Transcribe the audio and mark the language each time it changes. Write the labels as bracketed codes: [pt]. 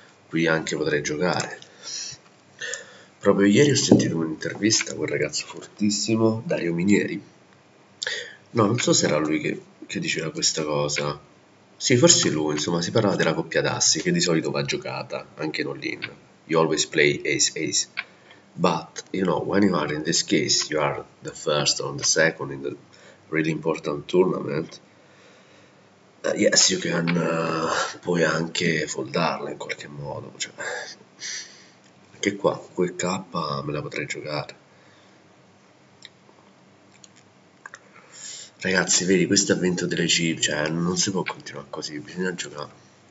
[it] Qui anche potrei giocare. Proprio ieri ho sentito un'intervista con un ragazzo fortissimo, Dario Minieri. No, non so se era lui che diceva questa cosa. Sì, forse lui, insomma, si parlava della coppia d'assi, che di solito va giocata, anche in all-in. [en] You always play ace-ace. But, you know, when you are in this case, you are the first or the second in the really important tournament, yes, you can, [it] puoi anche foldarla in qualche modo, cioè. Anche qua, quel K me la potrei giocare. Ragazzi, vedi, questo ha vinto delle chip, cioè non si può continuare così, bisogna giocare.